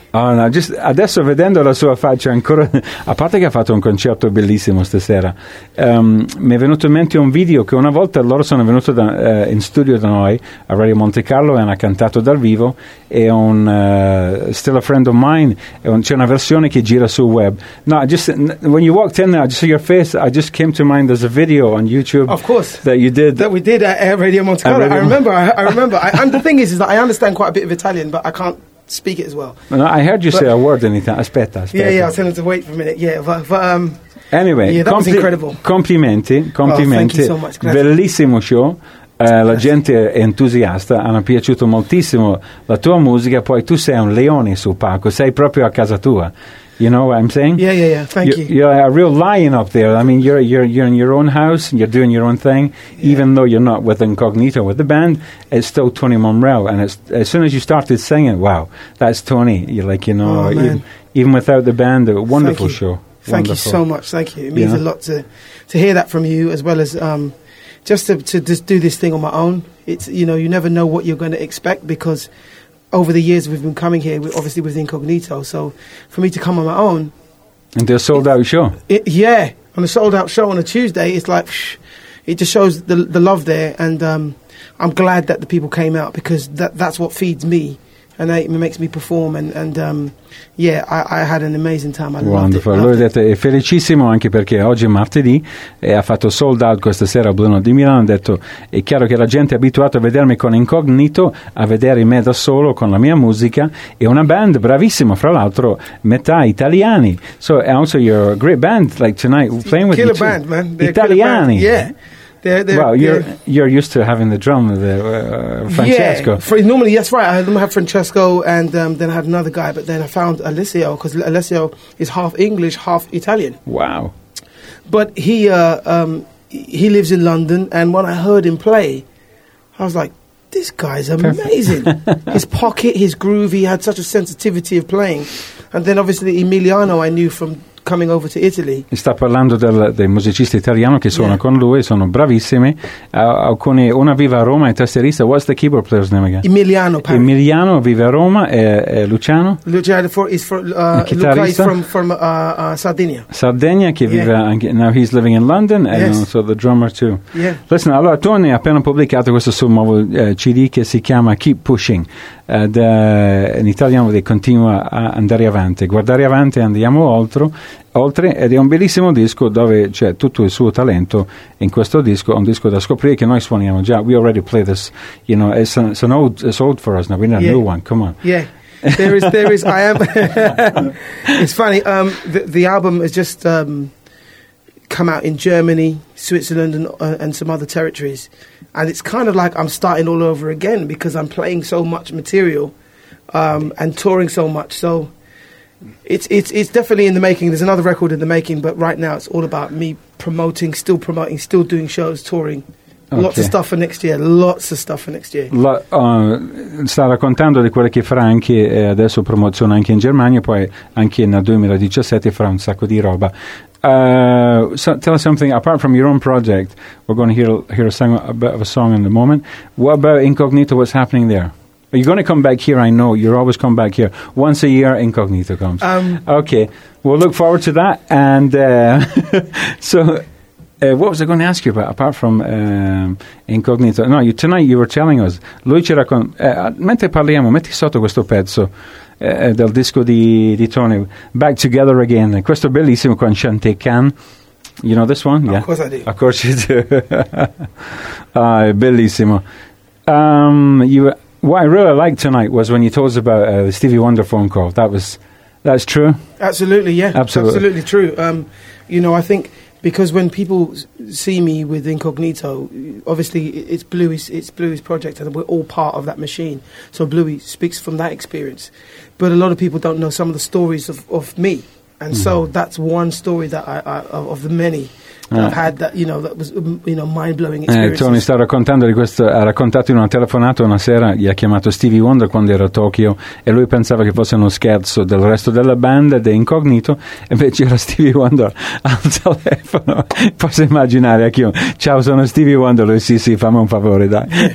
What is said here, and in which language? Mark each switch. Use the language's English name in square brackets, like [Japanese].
[English] Oh, no, just [Italian] adesso vedendo la sua faccia ancora, a parte che ha fatto un concerto bellissimo stasera, mi è venuto in mente un video che una volta loro sono venuti in studio da noi a Radio Monte Carlo e hanno cantato dal vivo, e un Still a Friend of Mine, c'è una versione che gira sul web. [English] No, just when you walked in there, I just saw your face, I just came to mind, there's a video on YouTube. Of course, that you did, that we did at Radio Monte Carlo. I remember and the thing is that I understand quite a bit of Italian, but I can't speak it as well. No, I heard you say a word anytime. [Italian] Aspetta. [English] Yeah, yeah, I was telling him to wait for a minute. But anyway, yeah, that was incredible. [Italian] Complimenti. [English] Oh, thank you so much. [Italian] Bellissimo show. La gente è entusiasta, hanno piaciuto moltissimo la tua musica. Poi tu sei un leone sul palco, sei proprio a casa tua. [English] You know what I'm saying? Yeah. Thank you. You're a real lion up there. I mean, you're in your own house and you're doing your own thing. Yeah. Even though you're not with Incognito with the band, it's still Tony Monreal. And it's, as soon as you started singing, wow, that's Tony. You're like, you know, even without the band, a wonderful show. Thank you so much. Thank you. It means a lot to hear that from you, as well as just to just do this thing on my own. It's, you know, you never know what you're going to expect, because over the years we've been coming here, obviously with Incognito, so for me to come on my own and do a sold out show, on a sold out show on a Tuesday, it's like, it just shows the love there, and I'm glad that the people came out, because that's what feeds me, and it makes me perform, and I had an amazing time. Wonderful. [Italian] Lui ha detto è felicissimo, anche perché oggi è martedì e ha fatto sold out questa sera a Blue Note di Milano. Ha detto è chiaro che la gente è abituata a vedermi con Incognito, a vedere me da solo con la mia musica e una band bravissima, fra l'altro metà italiani. [English] So also you're a great band, like tonight playing with killer you band, man. They're italiani, killer band. Yeah. You're used to having the drum, Francesco. Yeah, that's right. I had Francesco, and then I had another guy, but then I found Alessio, because Alessio is half English, half Italian. Wow. But he lives in London, and when I heard him play, I was like, this guy's amazing. His pocket, his groove, he had such a sensitivity of playing. And then obviously Emiliano I knew from coming over to Italy. [Italian] Sta parlando del musicista italiano che suona con lui, sono bravissimi. Alcuni, una vive a Roma, è tastierista. [English] What's the keyboard player's name again? Emiliano. Pardon. [Italian] Emiliano vive a Roma, e Luciano? [English] Luca is from Sardinia. [Italian] Sardegna, che vive anche. [English] Now he's living in London, and also the drummer too. Yeah. Listen, [Italian] allora Tony ha appena pubblicato questo suo nuovo CD che si chiama Keep Pushing. In italiano vuol dire continua a andare avanti, guardare avanti, andiamo oltre, ed è un bellissimo disco dove c'è tutto il suo talento in questo disco, un disco da scoprire che noi suoniamo già. [English] We already play this, you know, it's old for us now, we need a new one, come on. Yeah, there is I am it's funny, the album has just come out in Germany, Switzerland and some other territories, and it's kind of like I'm starting all over again, because I'm playing so much material and touring so much, so it's definitely in the making. There's another record in the making, but right now it's all about me promoting, still doing shows, touring. Okay. Lots of stuff for next year. [Italian] Sta raccontando di quello che farà anche adesso, promozione anche in Germania, poi anche nel 2017 farà un sacco di roba. [English] So tell us something, apart from your own project, we're going to hear a bit of a song in a moment. What about Incognito, what's happening there? Are you going to come back here? I know, you're always come back here. Once a year, Incognito comes. Okay, we'll look forward to that. And what was I going to ask you about, apart from Incognito? No, tonight you were telling us. [Italian] Lui ci racconta, mentre parliamo, metti sotto questo pezzo del disco di Tony, Back Together Again. Questo bellissimo con Shanté Khan. [English] You know this one? Of course I do. Of course you do. [Italian] bellissimo. [English] What I really liked tonight was when you told us about the Stevie Wonder phone call. That's true? Absolutely, yeah. Absolutely. Absolutely true. You know, I think, because when people see me with Incognito, obviously it's Bluey's project, and we're all part of that machine. So Bluey speaks from that experience. But a lot of people don't know some of the stories of me. And so that's one story that I of the many. [Italian] Tony sta raccontando di questo, ha raccontato in una telefonata una sera, gli ha chiamato Stevie Wonder quando era a Tokyo e lui pensava che fosse uno scherzo del resto della band ed è incognito, e invece era Stevie Wonder al telefono. Posso immaginare a chiunque: ciao, sono Stevie Wonder. Lui: sì sì, fammi un favore, dai.